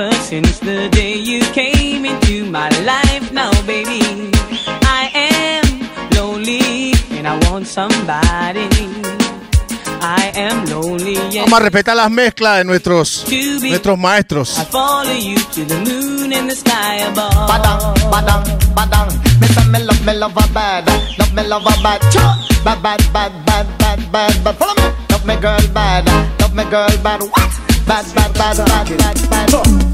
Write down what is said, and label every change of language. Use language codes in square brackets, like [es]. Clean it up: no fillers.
[en] Since the day you came into my life, now baby, I am lonely and I want somebody. I am lonely. [es] Vamos a respetar las mezclas de nuestros maestros. [en] I follow you to the moon and the sky above. Badam, badam, badam. Me say me love a bad, love me love a bad. Bad, bad, bad, bad, bad, bad, bad. Follow me. Love me girl bad, love me girl bad. What? Bad, bad, bad, bad, bad, bad, bad.